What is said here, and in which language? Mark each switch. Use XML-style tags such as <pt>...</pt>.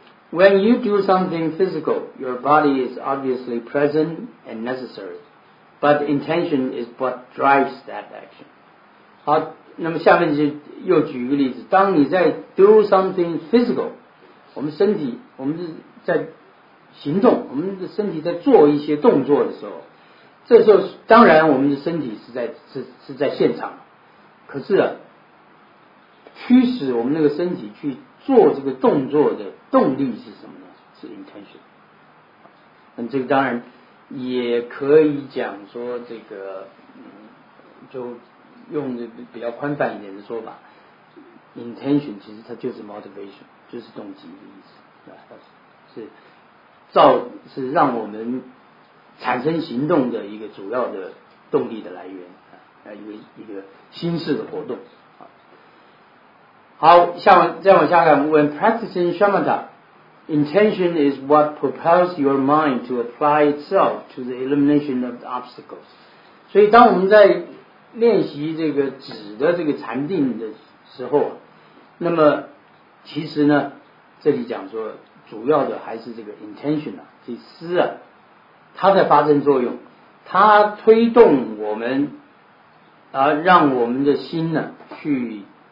<en>When you do something physical, your body is obviously present and necessaryBut intention is what drives that action.</en> <zh>好，那么下面就又举一个例子，当你在</zh> <en>do something physical，</en> <zh>我们身体，我们在行动，我们的身体在做一些动作的时候，这时候当然我们的身体是在现场，可是啊，驱使我们那个身体去做这个动作的动力是什么呢？是 intention。那这个当然也可以讲说这个就用这个比较宽泛一点的说法， intention 其实它就是 motivation， 就是动机的意思，是让我们产生行动的一个主要的动力的来源，一个心事的活动。好，再往下看，</zh> <en>when practicing shamatha,Intention is what propels your mind to apply itself to the elimination of the obstacles.</en> <zh>所以当我们在练习这个止的这个禅定的时候，那么其实呢，这里讲说主要的还是这个 intention 啊，这思啊，它在发生作用，它推动我们啊，让我们的心呢去</zh>